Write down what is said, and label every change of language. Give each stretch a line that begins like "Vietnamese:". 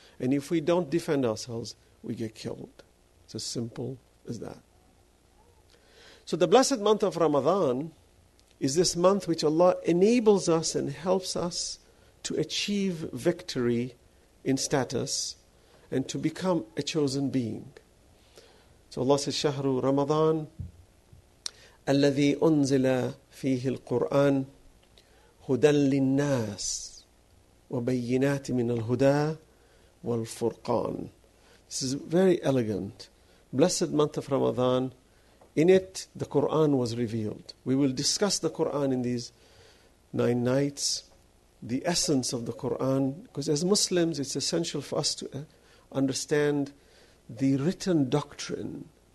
English: And if we don't defend ourselves, we get killed. It's as simple as that. So the blessed month of Ramadan is this month which Allah enables us and helps us to achieve victory in status and to become a chosen being. So Allah says,
Arabic: Shahru Ramadan, الذي أنزل فيه القرآن هدى للناس وبينات من الهدى والفرقان.
English: This is very elegant. Blessed month of Ramadan. In it, the Quran was revealed. We will discuss the Quran in these 9 nights. The essence of the Quran, because as Muslims, it's essential for us to understand the written doctrine.